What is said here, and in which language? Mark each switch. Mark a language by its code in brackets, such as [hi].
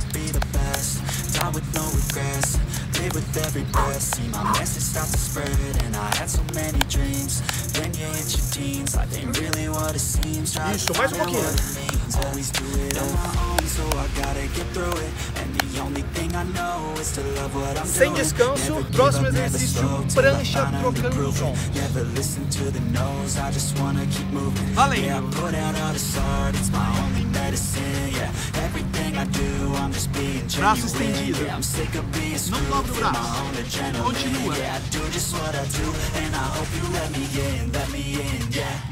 [en] die with no regrets, live with every breath. See my message start to spread, and I had so many dreams. Then you hit your teens, life ain't really what it seems. Try to find out what it means. Always do it on my own, so I gotta get through it. And the only thing I know is to love what I'm doing. [pt] Sem descanso, próximo exercício, prancha trocando o som. [en] Never listen to the no's, I just wanna keep moving. Valeu. Yeah, I put out all this art, it's my only medicine, yeah. Everything I do, I'm just being genuine. Yeah, I'm sick of being screwed for my own adrenaline. Yeah, I do just what I do, and I hope you let me in, yeah.